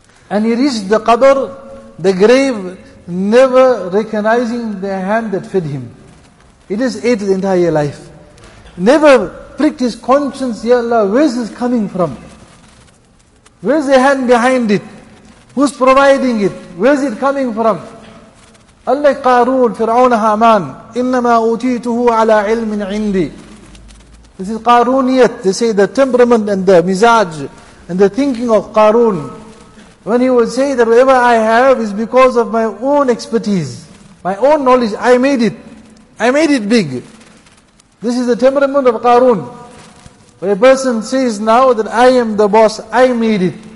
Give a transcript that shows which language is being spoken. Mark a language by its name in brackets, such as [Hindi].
[English] And he reached the qabr, the grave, never recognizing the hand that fed him. He just ate his entire life. Never pricked his conscience, Ya Allah, where is this coming from? Where's the hand behind it? Who's providing it? Where's it coming from? [Arabic] Allah Qarun, Fir'aun, Haman, إِنَّمَا أُوتِيتُهُ عَلَىٰ عِلْمٍ عِنْدِي. [English] This is Qaruniyat. They say the temperament and the mizaj and the thinking of Qarun. When he would say that whatever I have is because of my own expertise, my own knowledge, I made it. I made it big. This is the temperament of Qarun. Where a person says now that I am the boss, I made it.